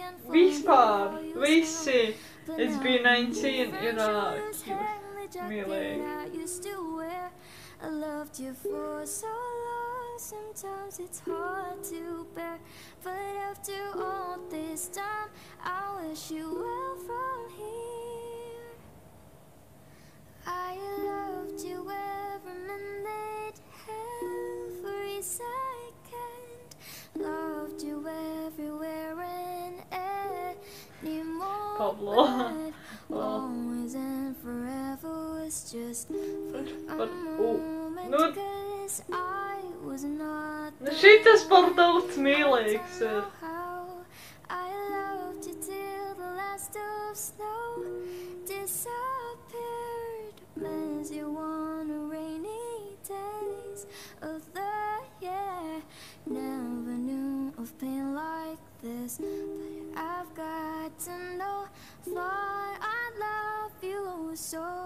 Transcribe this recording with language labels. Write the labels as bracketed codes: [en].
[lv] Vispār, visi SB19 ir cute, mīlēji. [en] Sometimes it's hard to bear, but after all this time, I wish you well from here. I loved you every minute, every second, loved you everywhere and anymore. Pablo. Always and forever was just for a moment, cause I was not the same. [lv] Šitas par daudz mīlīgs ir. [en] I loved you till the last of snow disappeared. Mends you on a rainy days of the year. Never knew of pain like this, but I've got to know, thought I'd love you so.